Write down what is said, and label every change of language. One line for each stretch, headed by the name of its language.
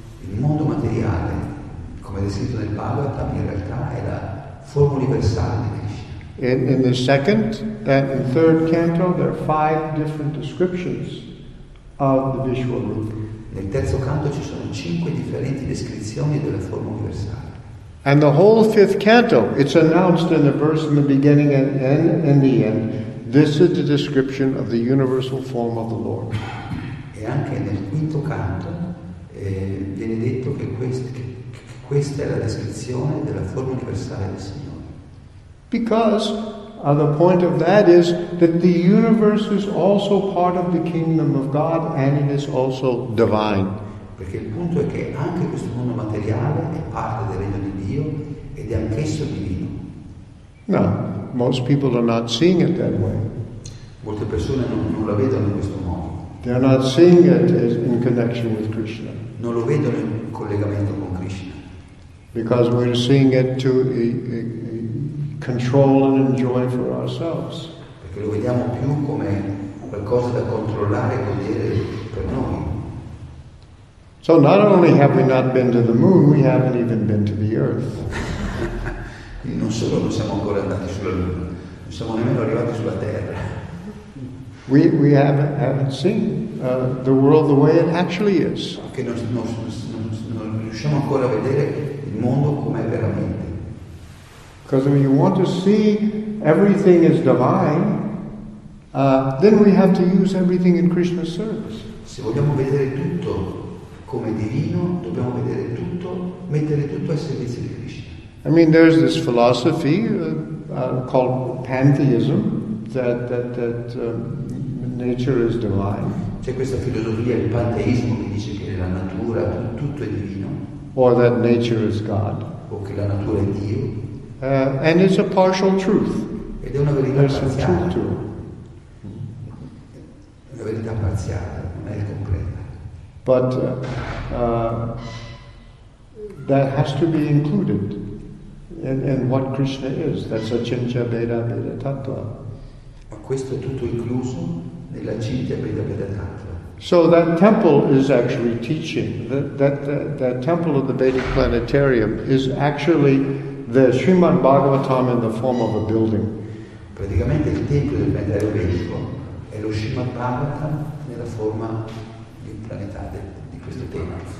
Italian: Il mondo materiale, come descritto nel Bhagavatam, in realtà è la forma universale di Krishna.
English: In the second and in third canto, there are five different descriptions of the Vishwarupa.
Italian: Nel terzo canto ci sono cinque differenti descrizioni della forma universale.
English: And the whole fifth canto, it's announced in the verse in the beginning and end, and the end, this is the description of the universal form of the Lord.
Italian: E anche nel quinto canto viene detto che questa è la descrizione della forma universale del Signore.
English: Because the point of that is that the universe is also part of the kingdom of God and it is also divine.
Italian: Perché il punto è che anche questo mondo materiale è parte del regno di Dio ed è anch'esso divino.
English: No, most people are not seeing it that way.
Italian: Molte persone non la vedono in questo modo.
English: They're not seeing it as in connection with Krishna.
Italian: Non lo vedono in collegamento con Krishna.
English: Because we're seeing it to control and enjoy for ourselves.
Italian: Perché lo vediamo più come qualcosa da controllare e godere per noi.
English: So not only have we not been to the moon, we haven't even been to the earth.
Italian: Non solo non siamo ancora andati sulla luna, non siamo nemmeno arrivati sulla terra.
English: We haven't seen the world the way it actually is.
Italian: Che non riusciamo ancora a vedere il mondo come è veramente.
English: Because if you want to see everything as divine, then we have to use everything in Krishna's service.
Italian: Se vogliamo vedere tutto come divino, dobbiamo vedere tutto, mettere tutto al servizio di Krishna.
English: I mean, there's this philosophy called pantheism nature is divine.
Italian: C'è questa filosofia, il panteismo, che dice che la natura, tutto è divino.
English: Or that nature is God.
Italian: O che la natura è Dio.
English: And it's a partial truth.
Italian: Ed è una verità
English: There's
Italian: parziale.
English: Some truth to it.
Italian: Una verità parziale, non è completa.
English: But that has to be included. and what Krishna is. That's Acintya Bheda Bheda Tattva.
Italian: Ma questo è tutto incluso nella Acintya Bheda Bheda Tattva.
English: So that temple is actually teaching. That temple of the Vedic planetarium is actually the Srimad Bhagavatam in the form of a building.
Italian: Praticamente il tempio del planetario vedico è lo Srimad Bhagavatam nella forma di planeta di questo tema.